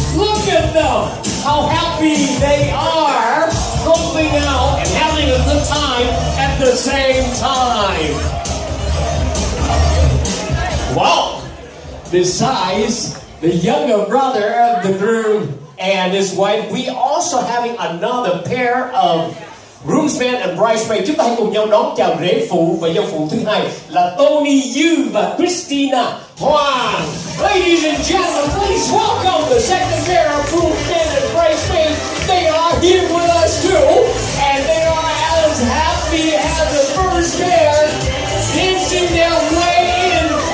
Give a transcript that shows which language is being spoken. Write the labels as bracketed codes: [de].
[en] Look at them, how happy they are, helping out and having a good time at the same time. Well, besides the younger brother of the group and his wife, we also having another pair of groomsmen and bridesmaids. [vi] Chúng ta hãy cùng nhau đón chào rể phụ và dâu phụ thứ hai là Tony Yu và Christina Hoàng. [en] Ladies and gentlemen, please welcome the second pair of groomsmen and bridesmaids. They are here with us too, and they are as happy as the first pair, dancing their way in.